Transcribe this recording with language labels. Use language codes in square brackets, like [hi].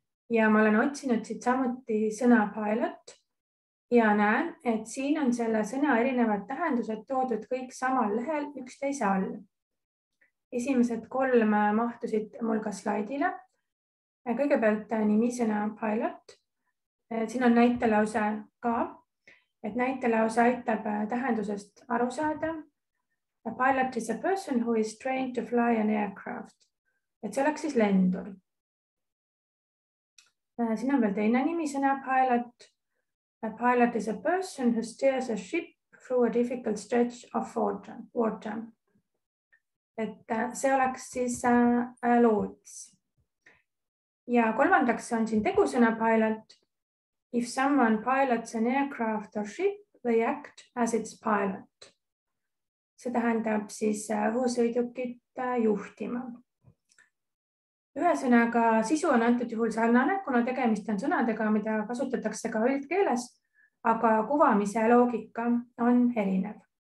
[et] Ja ma olen otsinud siit samuti sõna pilot ja näen, et siin on selle sõna erinevad tähendused toodud kõik samal lehel üksteise all. Esimesed kolm mahtusid mul ka slaidile. Kõigepealt nimisõna pilot. Siin on näitelause ka, et näitelause aitab tähendusest aru saada. [en] A pilot is a person who is trained to fly an aircraft. [et] Et see oleks siis lendur. Siin on veel teine nimisõna pilot. [en] A pilot is a person who steers a ship through a difficult stretch of water. [et] Et see oleks siis loots. Ja kolmandaks on siin tegusõna pilot. [en] If someone pilots an aircraft or ship, they act as its pilot. [et] See tähendab siis õhusõidukit juhtima. Ühesõnaga sisu on antud juhul sarnane, kuna tegemist on sõnadega, mida kasutatakse ka üldkeeles, aga kuvamise loogika on erinev.